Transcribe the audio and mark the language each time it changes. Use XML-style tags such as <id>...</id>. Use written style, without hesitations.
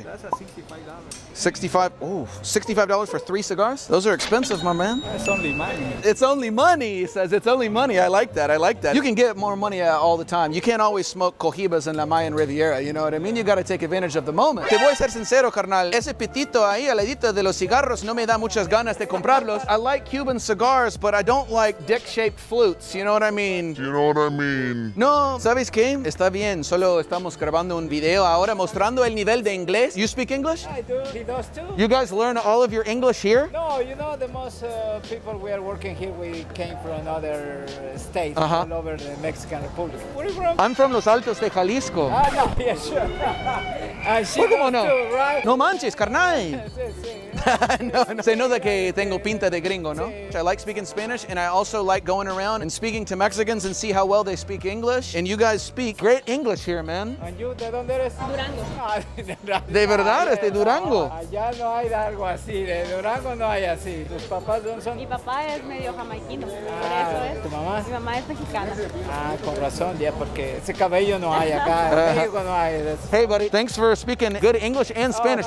<en>That's a $65. $65 for 3 cigars? Those are expensive, my man. It's only money. It's only money, he says. It's only money. I like that. You can get more money all the time. You can't always smoke cohibas in La Mayan Riviera, you know what I mean? You gotta take advantage of the moment.</en> <es>Te voy a ser sincero, carnal. Ese pitito ahí al ladito de los cigarros no me da muchas ganas de comprarlos.</es> <en>I like Cuban cigars, but I don't like dick-shaped flutes, you know what I mean? You know what I mean?</en> <es>No, ¿sabes qué? Está bien, solo estamos grabando un video ahora mostrando el nivel de inglés.</es> <en>You speak English? I do. Those two. You guys learn all of your English here? No, you know, the most people we are working here, we came from another state, all over the Mexican Republic. Where are you from? I'm from Los Altos de Jalisco. Yeah, sure. She knows too, right?</en> <es>No manches, carnal. No. Se nota que tengo pinta de gringo, ¿no?</es> <en>I like speaking Spanish, and I also like going around and speaking to Mexicans and see how well they speak English. And you guys speak great English here, man. And you,</en> <es>¿de dónde eres? Durango. De verdad, es de Durango. Allá no hay algo así, de Durango no hay así. ¿Tus papás dónde son? Mi papá es medio jamaiquino, por eso es. ¿Tu mamá? Mi mamá es mexicana. Ah, con razón, ya, porque ese cabello no hay acá, en México no hay.</es> <en>Hey, buddy, thanks for speaking good English and Spanish.</en>